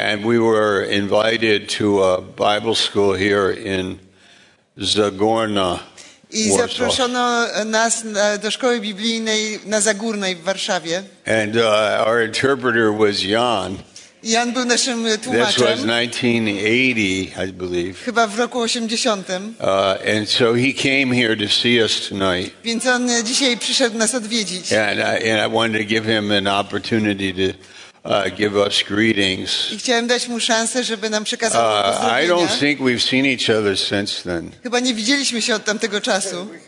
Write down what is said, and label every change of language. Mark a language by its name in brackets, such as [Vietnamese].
[English] And we were invited to a Bible school here in Zagorna. [Polish] I zaproszono nas do szkoły biblijnej na Zagórnej w Warszawie. [English] And our interpreter was Jan. [Polish] Jan był naszym tłumaczem. [English] This was 1980, I believe. [Polish] Chyba w roku 80. [English] And so he came here to see us tonight. [Polish] Więc on dzisiaj przyszedł nas odwiedzić. [English] And I wanted to give him an opportunity to give us greetings. [Polish] I chciałem dać mu szansę, żeby nam przekazał pozdrowienia. [English] I don't think we've seen each other since then. [Polish] Chyba nie widzieliśmy się od tamtego czasu.